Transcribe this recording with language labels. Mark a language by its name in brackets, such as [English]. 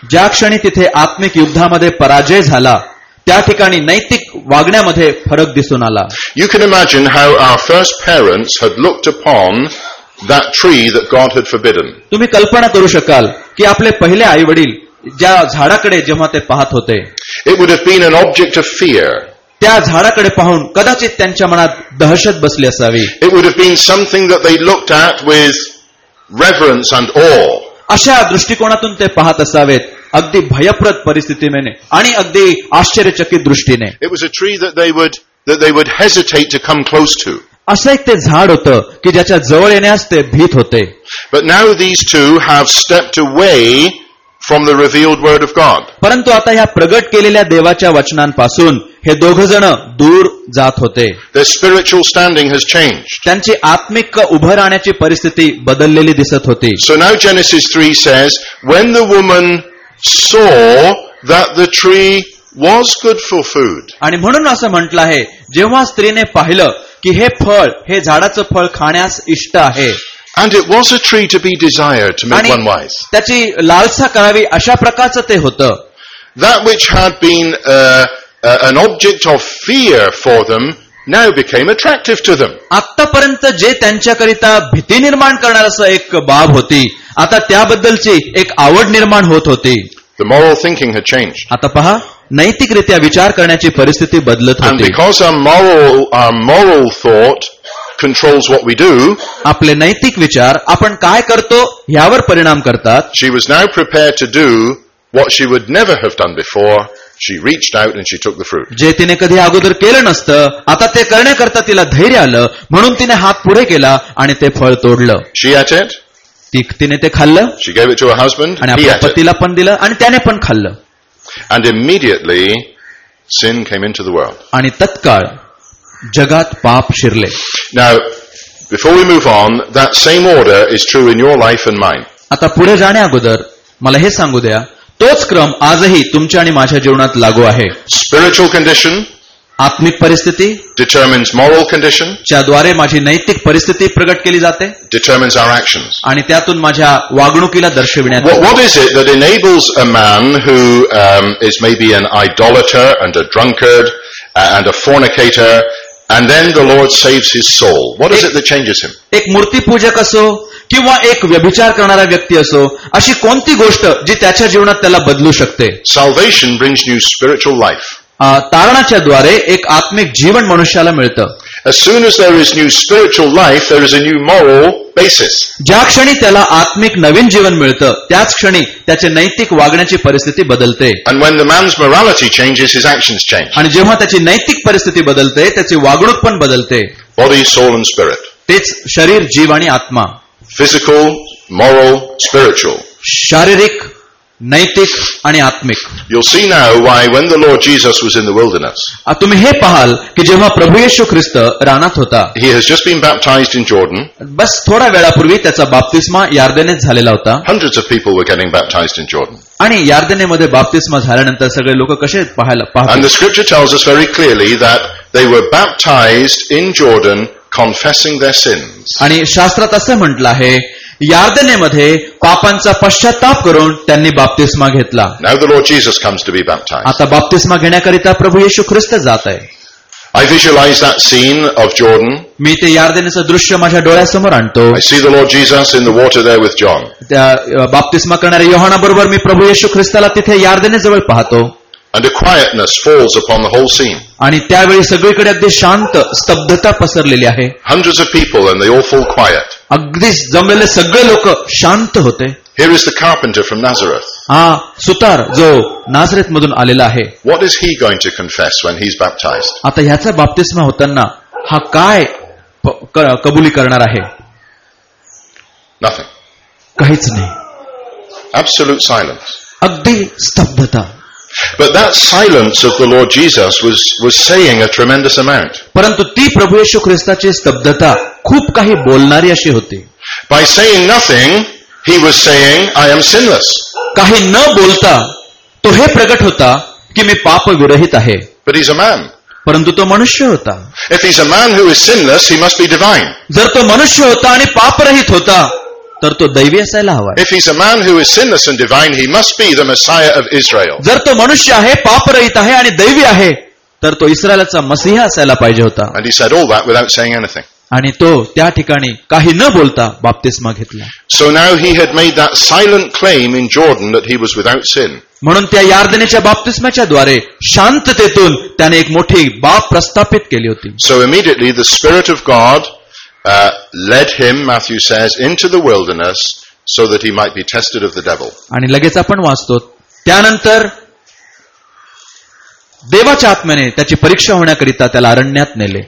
[Marathi] ज्या क्षणी तिथे आत्मिक युद्धामध्ये पराजय झाला त्या ठिकाणी नैतिक वागण्यामध्ये फरक दिसून आला. [English] You can imagine how our first parents had looked upon that tree that God had forbidden. [Marathi] तुम्ही कल्पना करू शकाल की आपले पहिले आई वडील ज्या झाडाकडे जेव्हा ते पाहत होते. [English] It would have been an object of fear. [Marathi] त्या झाडाकडे पाहून कदाचित त्यांच्या मनात दहशत बसली असावी. [English] It would have been something that they looked at with reverence and awe. [Marathi] अशा दृष्टिकोनातून ते पाहत असावेत, अगदी भयप्रद परिस्थितीने आणि अगदी आश्चर्यचकित दृष्टीने. [English] It was a tree that they would hesitate to come close to. [Marathi] असं एक ते झाड होतं की ज्याच्या जवळ येण्यास ते भीत होते. [English] But now these two have stepped away from the revealed word of God. [Marathi] परंतु आता या प्रगट केलेल्या देवाच्या वचनांपासून हे दोघ जण दूर जात होते. [English] Their spiritual standing has changed. [Marathi] त्यांची आत्मिक उभे राहण्याची परिस्थिती बदललेली दिसत होती. [English] So now Genesis 3 says, when the woman saw that the tree was good for food. [Marathi] आणि म्हणून असं म्हटलं आहे, जेव्हा स्त्रीने पाहिलं की हे फळ, हे झाडाचं फळ खाण्यास इष्ट आहे. [English] And it was a tree to be desired to make one wise. [Marathi] त्याची लालसा करावी अशा प्रकारचं ते होतं. [English] That which had been an object of fear for them now became attractive to them. [Marathi] आतापर्यंत जे त्यांच्याकरिता भीती निर्माण करणार असं एक बाब होती, आता त्याबद्दलची एक आवड निर्माण होत होती. [English] The moral thinking had changed. [Marathi] आता पहा, नैतिकरित्या विचार करण्याची परिस्थिती बदलत होती. [English] And because our moral thought controls what we do, [Marathi] आपले नैतिक विचार आपण काय करतो यावर परिणाम करतात. [English] She was now prepared to do what she would never have done before. She reached out and she took the fruit. [Marathi] जे तिने कधी अगोदर केलं नसतं, आता ते करण्याकरता तिला धैर्य आलं, म्हणून तिने हात पुढे केला आणि ते फळ तोडलं. [English] She ate it. [Marathi] तिने ते खाल्लं. [English] She gave it to her husband. [Marathi] आणि आपल्या पतीला पण दिलं आणि त्याने पण खाल्लं. [English] And immediately sin came into the world. [Marathi] आणि तत्काळ जगात पाप शिरले. [English] Now before we move on, that same order is true in your life and mine. [Marathi] आता पुढे जाण्याअगोदर मला हे सांगू द्या, तोच क्रम आजही तुमच्या आणि माझ्या जीवनात लागू आहे. [English] spiritual condition, [Marathi] आत्मिक परिस्थिती, [English] determines moral condition, [Marathi] ज्याद्वारे माझी नैतिक परिस्थिती प्रकट केली जाते, [English] determines our actions, [Marathi] आणि त्यातून माझ्या वागणुकीला दर्शविण्यात. [English] What is it that enables a man who is maybe an idolater and a drunkard and a fornicator and then the Lord saves his soul. What is it that changes him? [Marathi] एक मूर्ती पूजक असो किंवा एक व्यभिचार करणारा व्यक्ती असो, अशी कोणती गोष्ट जी त्याच्या जीवनात त्याला बदलू शकते? [English] Salvation brings new spiritual life. [Marathi] तारणाच्या द्वारे एक आत्मिक जीवन मनुष्याला मिळतं. [English] As soon as there is new spiritual life, there is a new moral basis. [Marathi] ज्या क्षणी त्याला आत्मिक नवीन जीवन मिळतं, त्याच क्षणी त्याचे नैतिक वागण्याची परिस्थिती बदलते. [English] And when the man's morality changes, his actions change. [Marathi] आणि जेव्हा त्याची नैतिक परिस्थिती बदलते, त्याची वागणूक पण बदलते. [English] Body, soul and spirit. [Marathi] तेच शरीर, जीव आणि आत्मा. [English] Physical, moral, spiritual. [Marathi] शारीरिक, नैतिक आणि आत्मिक. [English] You'll see now why when the Lord Jesus was in the wilderness. [Marathi] तुम्ही हे पाहाल की जेव्हा प्रभू येशू ख्रिस्त रानात होता. [English] He has just been baptized in Jordan. [Marathi] बस थोड्या वेळापूर्वी त्याचा बाप्तिस्मा यार्दनेत झालेला होता. [English] Hundreds of people were getting baptized in Jordan. [Marathi] आणि यार्दनेमध्ये बाप्तिस्मा झाल्यानंतर सगळे लोक कसे पाहतात. [English] And the scripture tells us very clearly that they were baptized in Jordan confessing their sins. [Marathi] आणि शास्त्रात असं म्हटलं आहे, यार्दनेमध्ये पापांचा पश्चाताप करून त्यांनी बाप्तिस्मा घेतला. [English] Now the Lord Jesus comes to be baptized. [Marathi] आता बाप्तिस्मा घेण्याकरिता प्रभू येशू ख्रिस्त जात आहे. [English] I visualize that scene of Jordan. [Marathi] मी ते यार्दनेचं दृश्य माझ्या डोळ्यासमोर आणतो. [English] I see the Lord Jesus in the water there with John. [Marathi] त्या बाप्तिस्मा करणाऱ्या योहानाबरोबर मी प्रभू येशू ख्रिस्ताला तिथे यार्दनेजवळ पाहतो. [English] And a quietness falls upon the whole scene. [Marathi] आणि त्यावेळी सगळीकडे अगदी शांत स्तब्धता पसरलेली आहे. [English] Hundreds of people and they all fall quiet. [Marathi] अगदी जमलेले सगळे लोक शांत होते. [English] Here is the carpenter from Nazareth. [Marathi] सुतार जो नाझरेथ मधून आलेला आहे. [English] What is he going to confess when he's baptized? [Marathi] आता ह्याचा बाप्तिस्मा होताना हा काय कबुली करणार आहे? [English] Nothing. [Marathi] काहीच नाही. [English] Absolute silence. [Marathi] अगदी स्तब्धता. [English] But that silence of the Lord Jesus was saying a tremendous amount. [Marathi] परंतु ती प्रभू येशू ख्रिस्ताची स्तब्धता खूप काही बोलणारी अशी होती. [English] By saying nothing, he was saying, I am sinless. [Marathi] काही न बोलता तो हे प्रकट होता की मी पाप विरहित आहे. [English] But he's a man. [Marathi] परंतु तो मनुष्य होता. [English] If he's a man who is sinless, he must be divine. [Marathi] जर तो मनुष्य होता आणि पापरहित होता तर तो दैवी असायला हवा. [English] If he's a man who is sinless and divine, he must be the Messiah of Israel. [Marathi] जर तो मनुष्य आहे, पापरहित आहे आणि दैवी आहे, तर तो इस्रायलचा मसीहा असायला पाहिजे होता. [English] And he said all that without saying anything. [Marathi] आणि तो त्या ठिकाणी काही न बोलता बाप्तिस्मा घेतला. [English] So now he had made that silent claim in Jordan that he was without sin. [Marathi] म्हणून त्या यार्दनेच्या बाप्तिस्म्याच्या द्वारे शांततेतून त्याने एक मोठी बाप प्रस्थापित केली होती. [English] So immediately the spirit of God led him, Matthew says, into the wilderness so that he might be tested of the devil. [Marathi] आणि लगेच आपण वाचतो त्यानंतर देवाच्या आत्म्याने त्याची परीक्षा होण्याकरिता त्याला अरण्यात नेले.